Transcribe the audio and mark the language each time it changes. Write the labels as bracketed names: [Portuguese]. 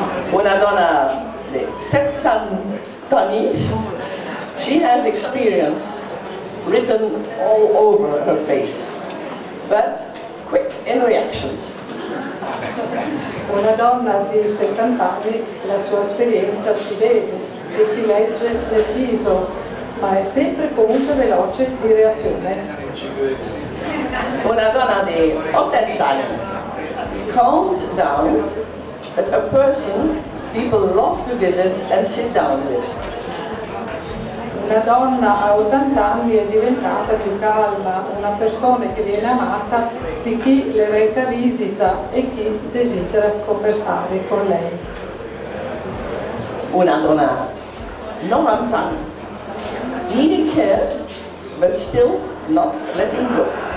[Italian] Una donna di 70 anni, [English] she has experience written all over her face, but quick in reactions. [Italian] Una donna di 70 anni, la sua esperienza si vede e si legge nel viso, ma è sempre comunque veloce di reazione. Una donna di 80 anni, [English] calmed down, but a person people love to visit and sit down with. [Italian] Una donna a 80 anni è diventata più calma, una persona che viene amata di chi le reca visita e chi desidera conversare con lei. Una donna 90 anni, [English] needing care but still not letting go.